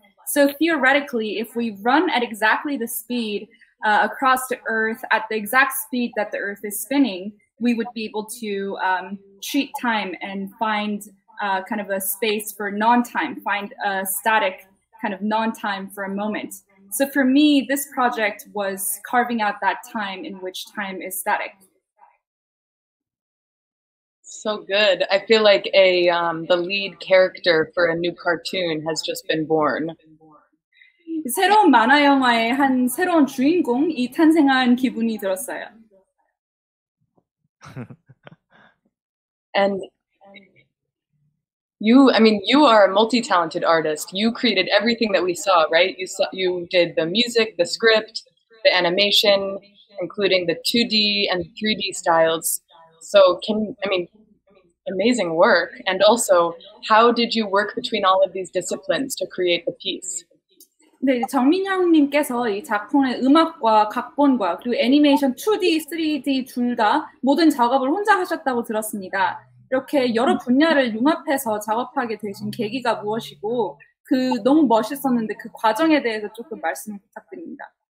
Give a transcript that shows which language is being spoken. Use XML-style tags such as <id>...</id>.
<en>So theoretically, if we run at exactly the speed across the Earth, at the exact speed that the Earth is spinning, we would be able to cheat time and find kind of a space for non-time, find a static kind of non-time for a moment. So for me, this project was carving out that time in which time is static. So good. I feel like the lead character for a new cartoon has just been born.</en> <ko>새로운 만화 영화의 한 새로운 주인공이 탄생한 기분이 들었어요.</ko> <en>And you, I mean, you are a multi-talented artist. You created everything that we saw, right? You did the music, the script, the animation, including the 2D and 3D styles. So amazing work. And also, how did you work between all of these disciplines to create the piece?</en> <ko>네, 정민영님께서 이 작품의 음악과 각본과 그리고 애니메이션 2D, 3D 둘 다 모든 작업을 혼자 하셨다고 들었습니다. 이렇게 여러 분야를 융합해서 작업하게 되신 계기가 무엇이고 그 너무 멋있었는데 그 과정에 대해서 조금 말씀 부탁드립니다.</ko>